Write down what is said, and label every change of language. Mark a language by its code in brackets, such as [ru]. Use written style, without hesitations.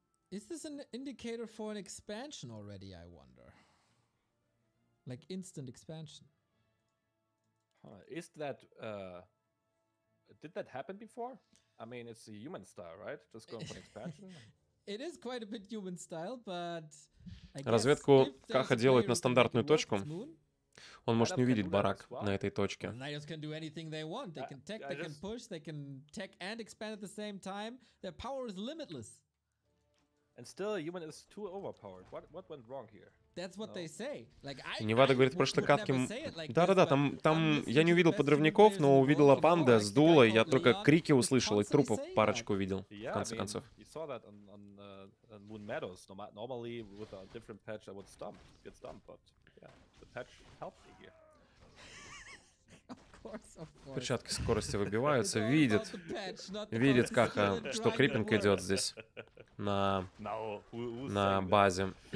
[en] Is this an indicator for an expansion already, I wonder? Like instant expansion. Is that did that happen before? I mean, it's a human style, right? Just going for an expansion. It is quite a bit human style, but [ru] разведку Каха делает на стандартную точку. Он может не увидеть барак на этой точке. [en] Knights can do anything they want. They can tech, they can push, they can tech and expand at the same time. Their power is limitless. And still, human is too overpowered. What went wrong here? That's what they say. Like I. [ru] Невада говорит про шлакатки. Да-да-да, там я не увидел подрывников, но увидел панда с дулой. Я только крики услышал и трупов парочку увидел. В конце концов. [en] You saw that on Moon Meadows. Normally, with a different patch, I would stomp. Get stomped, but yeah, the patch helped me here. Of course. [ru] Перчатки скорости выбиваются, видит, видит Каха, что крипинг идет здесь на базе.